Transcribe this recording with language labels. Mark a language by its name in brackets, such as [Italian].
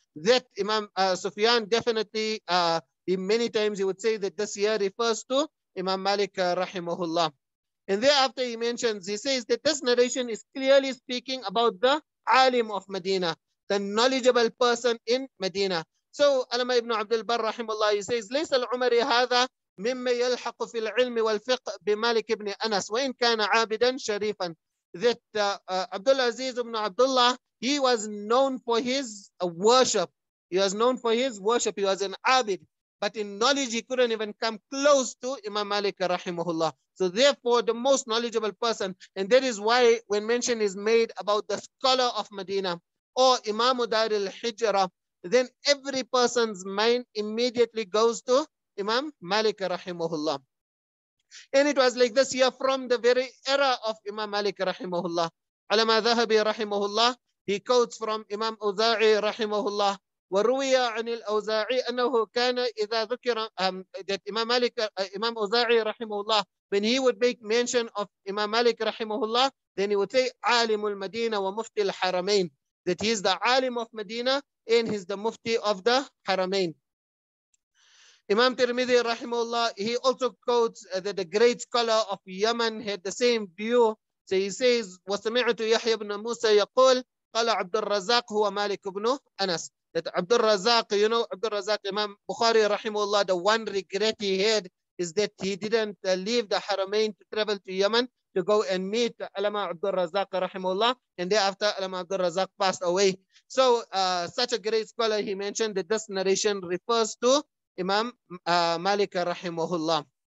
[English] That Imam Sufyan definitely, many times he would say that this year refers to Imam Malik rahimahullah. And thereafter he mentions, he says that this narration is clearly speaking about the alim of Medina, the knowledgeable person in Medina. So Alama ibn Abdul Bar rahimahullah, he says, [Arabic] ليس العمر هذا مما يلحق في العلم والفقه بمالك ابن أنس وإن كان عابدا شريفا. [English] That Abdul Aziz ibn Abdullah, he was known for his worship. He was known for his worship. He was an abid. But in knowledge, he couldn't even come close to Imam Malik rahimahullah. So therefore, the most knowledgeable person. And that is why when mention is made about the scholar of Medina or Imam Dar al-Hijra, then every person's mind immediately goes to Imam Malik rahimahullah. And it was like this year from the very era of Imam Malik rahimahullah. Alama Zahabi rahimahullah, he quotes from Imam Uza'i rahimahullah, [Arabic] وَرُوِيَ عَنِ الْأَوْزَاعِ أَنَّهُ كَانَ إِذَا ذُكِرَ [English] that Imam Malik, Imam Uza'i rahimahullah, when he would make mention of Imam Malik rahimahullah, then he would say [Arabic] عَالِمُ الْمَدِينَ وَمُفْتِ الْحَرَمَيْنِ, [English] that he is the alim of Medina and he's the mufti of the Haramain. Imam Tirmidhi rahimahullah, he also quotes that the great scholar of Yemen had the same view. So he says, [Arabic] وَسَمِعْتُ يَحْيَ بْنَ مُوسَى يَقُولُ قَالَ عَبْدُ الرَّزَاقُ هُوَ مَالِكُ بْنُ أَنَسُ. [English] That Abdul Razak, you know, Abdul Razak, Imam Bukhari rahimahullah, the one regret he had is that he didn't leave the Haramain to travel to Yemen to go and meet Alama Abdul Razak rahimahullah. And thereafter, Alama Abdul Razak passed away. So such a great scholar, he mentioned that this narration refers to Imam Malik rahimahullah.